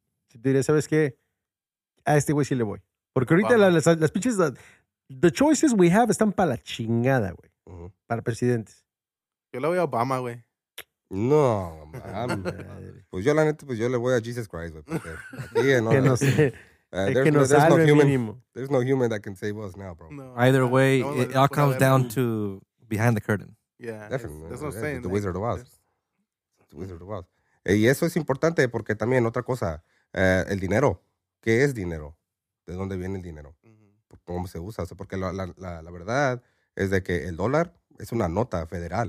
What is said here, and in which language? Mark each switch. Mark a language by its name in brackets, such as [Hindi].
[Spanish] Si te dirías, ¿sabes qué? A este güey sí le voy. Porque ahorita las pinches, [English] the choices we have [Spanish] están para la chingada, güey. Uh-huh. Para presidentes. Yo le voy a Obama, güey. [English] No, man. [Spanish] Pues yo la neta, pues yo le voy a Jesus Christ, güey. Porque aquí, no, sé. [English] There's no human that can save us now, bro. No. Either way, it all comes down to behind the curtain. Yeah, definitely. That's what I'm saying. The Wizard of Oz. The Wizard of Oz. [Spanish] Y eso es importante porque también otra cosa, el dinero. ¿Qué es dinero? ¿De dónde viene el dinero? Mm-hmm. ¿Cómo se usa? O sea, porque la verdad es de que el dólar es una nota federal.